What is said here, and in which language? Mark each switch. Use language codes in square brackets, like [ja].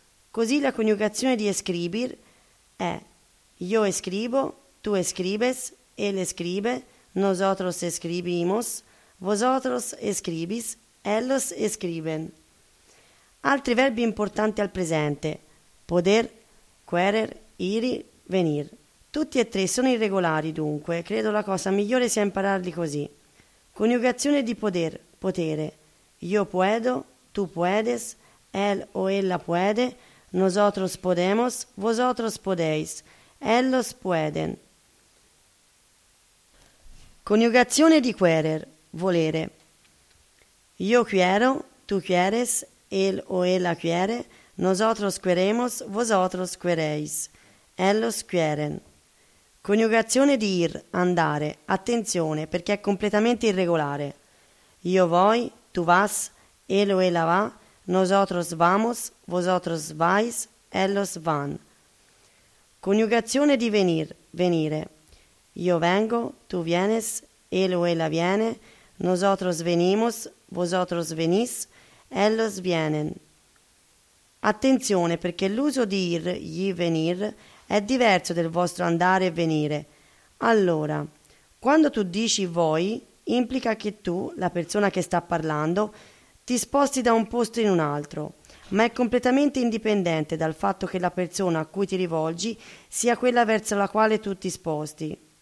[it] Così la coniugazione di escribir è [es] io escribo, tu escribes, él escribe, nosotros escribimos, vosotros escribis, ellos escriben. [it] Altri verbi importanti al presente, poder, querer, iri, venir. Tutti e tre sono irregolari dunque, credo la cosa migliore sia impararli così. Coniugazione di poder, potere. [es] Io puedo, tu puedes, él o ella puede, nosotros podemos, vosotros podéis, ellos pueden. [it] Coniugazione di querer, volere. [es] Io quiero, tu quieres, él o ella quiere, nosotros queremos, vosotros queréis, ellos quieren. [it] Coniugazione di ir, andare. Attenzione, perché è completamente irregolare. [es] Io voy, tu vas, él o ella va, nosotros vamos, vosotros vais, ellos van. [it] Coniugazione di venir, venire. [es] Io vengo, tu vienes, él o ella viene, nosotros venimos, vosotros venís, ellos vienen. [it] Attenzione, perché l'uso di ir, gli venir, è diverso del vostro andare e venire. Allora, quando tu dici voi, implica che tu, la persona che sta parlando, ti sposti da un posto in un altro, ma è completamente indipendente dal fatto che la persona a cui ti rivolgi sia quella verso la quale tu ti sposti.